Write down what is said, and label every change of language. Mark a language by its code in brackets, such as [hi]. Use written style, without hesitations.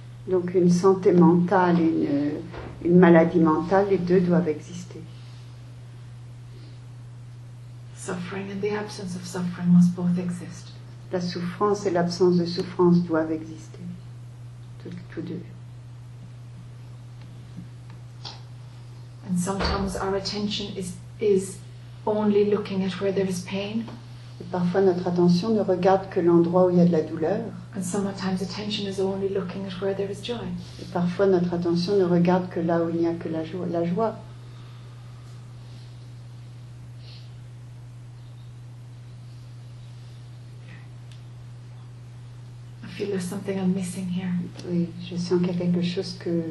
[fr] Donc une santé mentale et une maladie mentale, les deux doivent exister. [en] Suffering and the absence of suffering must both exist. [fr] la souffrance et l'absence de souffrance doivent exister, tous deux. [en] And sometimes our attention is only looking at where there is pain. [fr] Et parfois notre attention ne regarde que l'endroit où il y a de la douleur. [en] And sometimes attention is only looking at where there is joy. [fr] Et parfois notre attention ne regarde que là où il n'y a que la joie. [en] I feel there's something I'm missing here. [fr] Oui, je sens qu'il y a quelque chose que